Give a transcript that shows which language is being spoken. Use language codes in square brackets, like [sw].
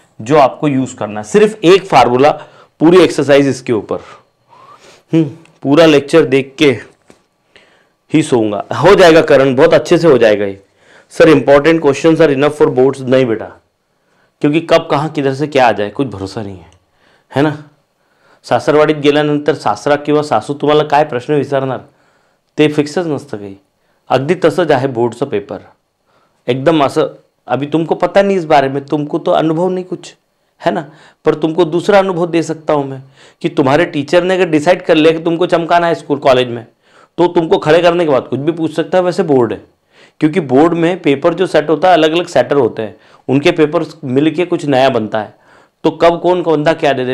[hi] जो आपको यूज करना है, सिर्फ एक फार्मूला पूरी एक्सरसाइज इसके ऊपर, पूरा लेक्चर देख के ही सोऊंगा, हो जाएगा करण बहुत अच्छे से हो जाएगा ये। [en] Sir important questions are enough for boards? [hi] नहीं बेटा, क्योंकि कब कहाँ किधर से क्या आ जाए कुछ भरोसा नहीं है, है ना। [mr] सासरवाड़ीत गेल्यानंतर सासरा किंवा सासू तुम्हाला काय प्रश्न विचारणार ते फिक्सच नसतं काही, अगदी तसंच आहे बोर्डचं पेपर एकदम असं। [hi] अभी तुमको पता नहीं इस बारे में, तुमको तो अनुभव नहीं कुछ है ना, पर तुमको दूसरा अनुभव दे सकता हूँ मैं कि तुम्हारे टीचर ने अगर डिसाइड कर लिया कि तुमको चमकाना है स्कूल कॉलेज में, तो तुमको खड़े करने के बाद कुछ भी पूछ सकता है। वैसे बोर्ड है, क्योंकि बोर्ड में पेपर जो सेट होता है अलग अलग सेटर होते हैं, उनके पेपर मिल के कुछ नया बनता है, तो कब कौन कौनदा क्या दे दे।